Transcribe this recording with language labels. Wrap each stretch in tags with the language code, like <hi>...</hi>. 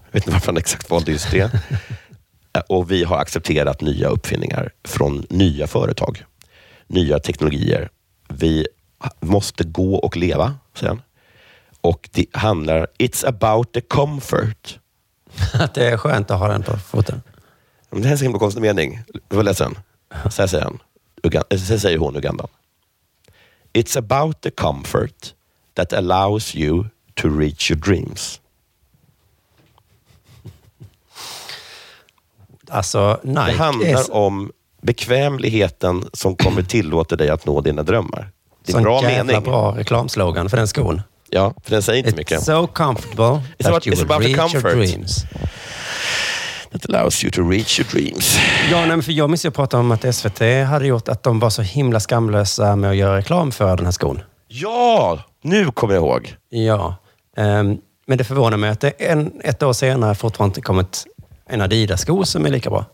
<sv>Jag vet inte varför han exakt valde just det. Och vi har accepterat nya uppfinningar från nya företag. Nya teknologier. Vi måste gå och leva sen. Och det handlar...</sv> <en>It's about the comfort.</en> <sv>Att det är skönt att ha den på foten. Det här är en himla konstig mening. Du får läsa den. Så här säger han. Så här säger hon Uganda.</sv> <en>It's about the comfort that allows you to reach your dreams.</en> <sv>Alltså, Nike det handlar om bekvämligheten som kommer tillåta dig att nå dina drömmar. Det är en bra mening. Bra reklamslogan för den skon. Ja, för den säger inte</sv> <en>it's</en> <sv>mycket.</sv> <en>It's so comfortable it's that about, you will reach your dreams. That allows you to reach your dreams.</en> <sv>Ja, nej, för jag missade att prata om att SVT hade gjort att de var så himla skamlösa med att göra reklam för den här skon. Ja, nu kommer jag ihåg. Ja, men det förvånar mig att det ett år senare fortfarande inte kommit en Adidas-sko som är lika bra.</sv>